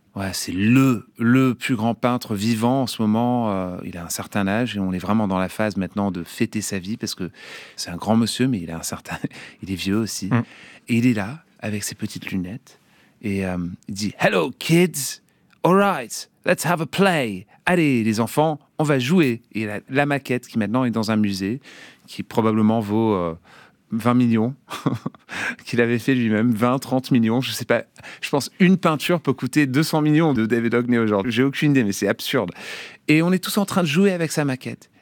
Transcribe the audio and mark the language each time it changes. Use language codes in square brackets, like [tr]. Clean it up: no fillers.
[fr] Ouais, c'est le plus grand peintre vivant en ce moment. Il a un certain âge et on est vraiment dans la phase maintenant de fêter sa vie parce que c'est un grand monsieur, mais il a un certain... il est vieux aussi. Mmh. Et il est là, avec ses petites lunettes, et il dit « [en] Hello, kids! All right, let's have a play! [fr] Allez, les enfants, on va jouer !» Et la maquette, qui maintenant est dans un musée, qui probablement vaut 20 millions, qu'il avait fait lui-même, 20, 30 millions, je ne sais pas. Je pense une peinture peut coûter 200 millions de David Hockney aujourd'hui. J'ai aucune idée, mais c'est absurde. Et on est tous en train de jouer avec sa maquette.